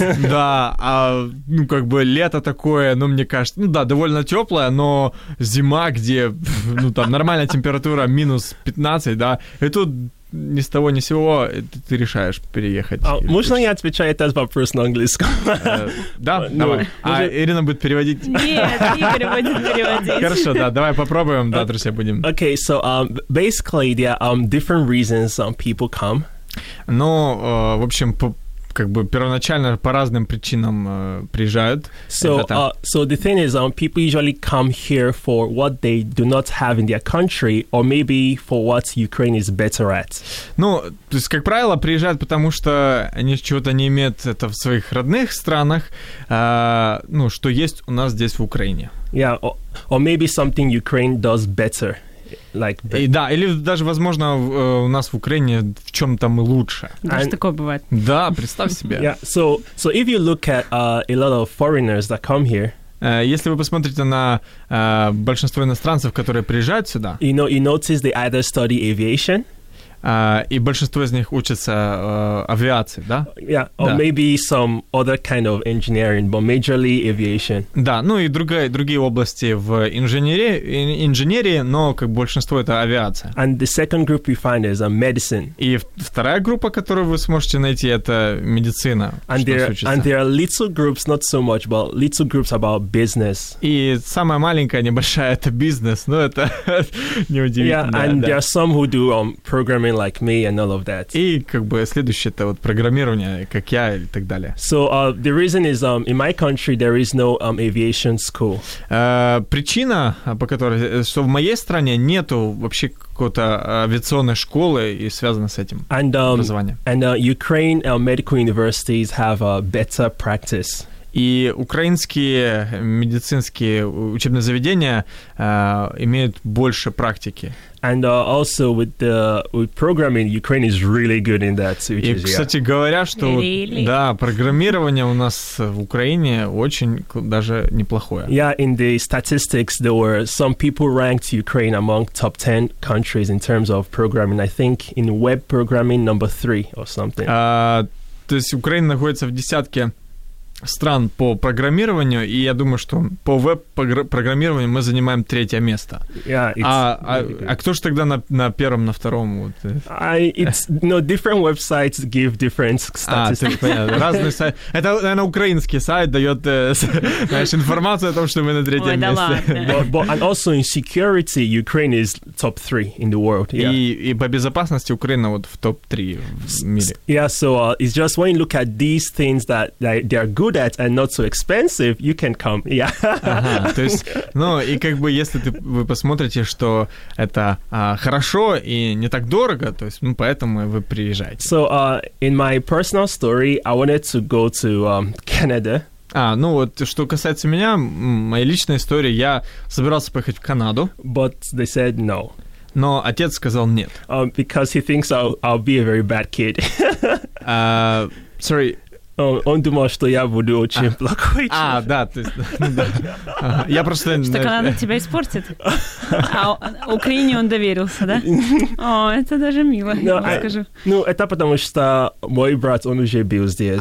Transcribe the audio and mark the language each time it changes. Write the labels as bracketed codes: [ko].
[ru] Да, а, ну, как бы лето такое, ну, мне кажется, ну, да, довольно теплое, но зима, где, ну, там, нормальная температура, минус 15, да, и тут ни с того, ни с сего ты решаешь переехать. Можно я отвечаю этот вопрос на английском? Да, давай. А Ирина будет переводить? Нет, Игорь будет переводить. Хорошо, да, давай попробуем, да, друзья, будем. [en] Okay, so basically there are different reasons people come. [ru] Ну, в общем, как бы первоначально по разным причинам приезжают. [en] So the thing is, people usually come here for what they do not have in their country, or maybe for what Ukraine is better at. [ru] Ну, то есть, как правило, приезжают, потому что они чего-то не имеют это в своих родных странах, ну, что есть у нас здесь в Украине. [en] Yeah, or maybe something Ukraine does better. Like [ru] и, да, или даже, возможно, у нас в Украине в чем-то мы лучше. Даже такое бывает. Да, представь себе. [en] Yeah. So if you look at a lot of foreigners that come here. [ru] Если вы посмотрите на большинство иностранцев, которые приезжают сюда. [en] You notice they either study aviation. [ru] И большинство из них учатся авиации, да? [en] Yeah, or [ru] да. [en] Maybe some other kind of engineering, but majorly aviation. [ru] Да, ну и другие области в инженерии, но как большинство это авиация. [en] And the second group you find is medicine. [ru] И вторая группа, которую вы сможете найти, это медицина. [en] And there are little groups, not so much, but little groups about business. [ru] И самая маленькая, небольшая, это бизнес, но это неудивительно. [en] Yeah, and [ru] да. [en] There are some who do programming. Like me and all of that. [ru] И как бы следующее это вот программирование, как я и так далее. [en] So the reason is in my country there is no aviation school. [ru] Причина, по которой, что в моей стране нету вообще какой-то авиационной школы и связано с этим образование. [en] And Ukraine medical universities have a better practice. [ru] И украинские медицинские учебные заведения имеют больше практики. [en] And also with programming, Ukraine is really good in that. [ru] И, кстати говоря, что [en] really? [ru] Да, программирование у нас в Украине очень даже неплохое. [en] Yeah, in the statistics, there were some people ranked Ukraine among top 10 countries in terms of programming. I think in web programming, number 3 or something. [ru] То есть Украина находится в десятке стран по программированию, и я думаю, что по веб-программированию мы занимаем третье место. [en] Yeah, [ru] а кто же тогда на первом, на втором? Вот? [en] Different websites give different statistics. [ru] Разные сайты. Это, наверное, украинский сайт дает знаешь, информацию о том, что мы на третьем месте. [en] And also in security, Ukraine is top 3 in the world. [ru] И по безопасности Украина вот в топ-3 в мире. [en] Yeah, so it's just when you look at these things that they are good at and not so expensive, you can come. Yeah. [ru] Ага, то есть, ну, и как бы, если вы посмотрите, что это хорошо и не так дорого, то есть, ну, поэтому вы приезжаете. [en] So, in my personal story, I wanted to go to Canada. [ru] А, ну вот, что касается меня, моей личной истории, я собирался поехать в Канаду. [en] But they said no. [ru] Но отец сказал нет. [en] Because he thinks I'll be a very bad kid. Sorry. [ru] Он думал, что я буду очень плохой человек. А, да, то есть, да. Я просто... Что Канада тебя испортит? А Украине он доверился, да? О, это даже мило, я скажу. Ну, это потому что мой брат, он уже был здесь.